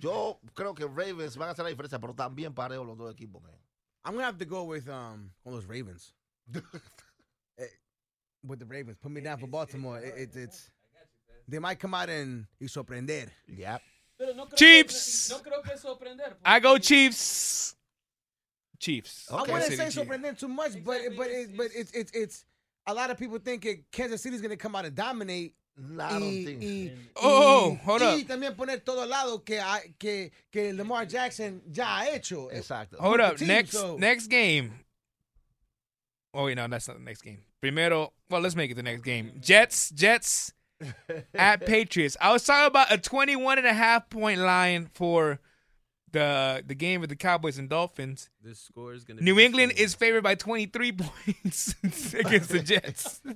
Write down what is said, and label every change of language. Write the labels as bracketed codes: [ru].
[es] Yo creo que Ravens van a hacer la diferencia, pero están bien parejos los dos equipos, man. [en] I'm going to have to go with all those Ravens. With the Ravens. Put me down for Baltimore. It's they might come out and [es] y sorprender. [en] Yep. Chiefs. [es] No creo que sorprender. [en] I go Chiefs. Chiefs. Okay. I wouldn't say sorprender too much, exactly. but it's a lot of people think that Kansas City is going to come out and dominate. Hold up. [es] Y también poner todo lado que Lamar Jackson ya ha hecho. Exacto. [en] Hold up. Next game. Oh, wait, no, that's not the next game. Primero, well, let's make it the next game. Jets at Patriots. I was talking about a 21.5 point line for the game with the Cowboys and Dolphins. This score is going to New England is favored by 23 points against the Jets.